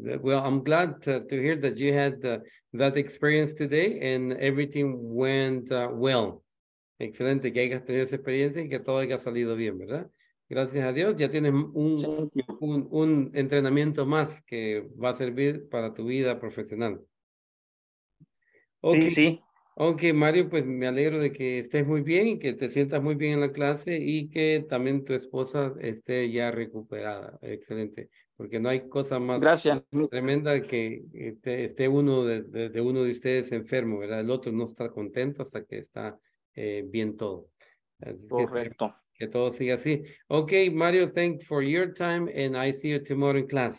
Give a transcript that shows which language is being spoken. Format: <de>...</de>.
<en>Well, I'm glad to hear that you had that experience today and everything went well.</en> <es>Excelente que hayas tenido esa experiencia y que todo haya salido bien, ¿verdad? Gracias a Dios, ya tienes un entrenamiento más que va a servir para tu vida profesional. Okay. Sí, sí. Ok, Mario, pues me alegro de que estés muy bien y que te sientas muy bien en la clase y que también tu esposa esté ya recuperada. Excelente, porque no hay cosa más Gracias. Tremenda que esté uno de uno de ustedes enfermo, ¿verdad? El otro no está contento hasta que está bien todo. Correcto. Que todo siga así.</es> <en>Okay, Mario, thanks for your time, and I see you tomorrow in class.</en>